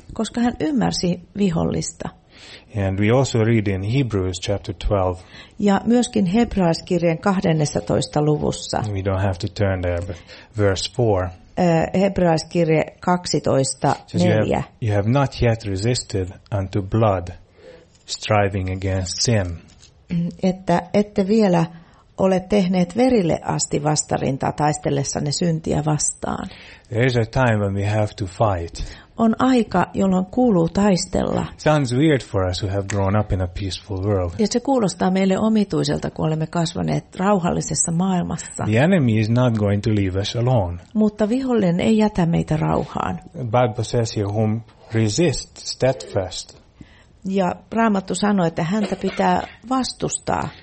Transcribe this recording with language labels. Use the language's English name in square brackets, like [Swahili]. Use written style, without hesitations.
[Finnish] Koska hän ymmärsi vihollista. [English] And we also read in Hebrews chapter 12. [Finnish] Ja myöskin hebraiskirjeen 12. luvussa. [English] We don't have to turn there, but verse 4. [Finnish] Hebraiskirje 12:4. [English] You have not yet resisted unto blood, striving against sin. [Finnish] Että ette vielä ole tehneet verille asti vastarintaa taistellessanne syntiä vastaan. [English] There is a time when we have to fight. [Finnish] On aika, jolloin kuuluu taistella. [English] Sounds weird for us who have grown up in a peaceful world. [Finnish] Ja se kuulostaa meille omituiselta, kun olemme kasvaneet rauhallisessa maailmassa. [English] The enemy is not going to leave us alone. [Finnish] Mutta vihollinen ei jätä meitä rauhaan. [English] Bible says here, whom resist steadfast. [Finnish] Ja Raamattu sanoi, että häntä pitää vastustaa.